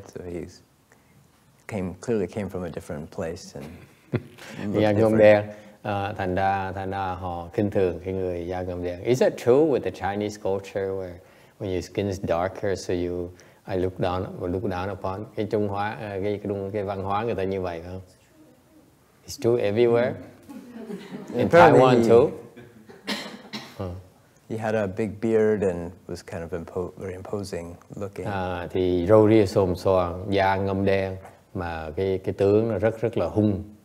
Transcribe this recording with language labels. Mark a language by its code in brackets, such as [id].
[en] So he's clearly came from a different place and [vi] da ngâm đen. Thành ra họ khinh thường cái người da ngâm đen. [en] Is that true with the Chinese culture where when your skin is darker, so I look down upon? [vi] Cái Trung Hoa cái văn hóa người ta như vậy không? [en] It's true everywhere. In Taiwan too. He had a big beard and was kind of very imposing looking. [vi] Thì râu ria xồm xoàng, da ngâm đen, mà cái tướng nó rất rất là hung.